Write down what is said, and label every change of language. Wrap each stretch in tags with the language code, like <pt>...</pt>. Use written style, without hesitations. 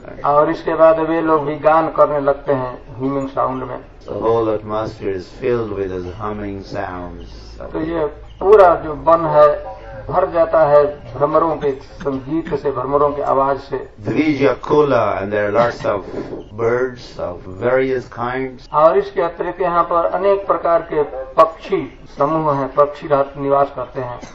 <hi>और इसके बाद वे लोग भी गान करने लगते हैं</hi> <en>humming sound</en> <hi>में.</hi> <en>The whole atmosphere is filled with those humming sounds.</en> <hi>तो ये पूरा जो वन है भर जाता है भ्रमरों के संगीत से, भ्रमरों की आवाज से.</hi> <en>द्विजकुला and there are lots of birds of various kinds.</en> <hi>और इसके अतिरिक्त यहाँ पर अनेक प्रकार के पक्षी समूह हैं, पक्षी रात निवास करते हैं.</hi>